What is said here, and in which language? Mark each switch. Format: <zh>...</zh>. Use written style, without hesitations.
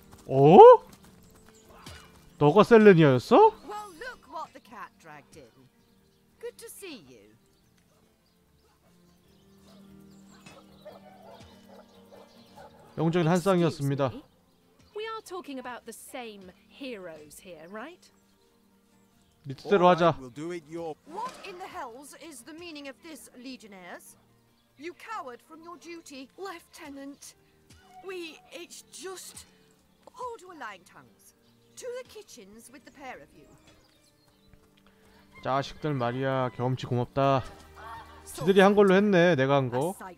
<ko>Oh? 너가 셀레니아였어?</ko> <en>Well, look what the cat dragged in. Good to see you.</en> <ko>영적인 한 쌍이었습니다.</ko> <en>We are talking about the same heroes here, right?</en> <ko>네 뜻대로 하자.</ko> <en>What in the hells is the meaning of this, legionnaires? You cowered from your duty, lieutenant. It's just hold your lying tongues. To the kitchens with the pair of you.</en> <ko>자식들 말이야, 경험치 고맙다. 지들이 한 걸로 했네, 내가 한 거.</ko>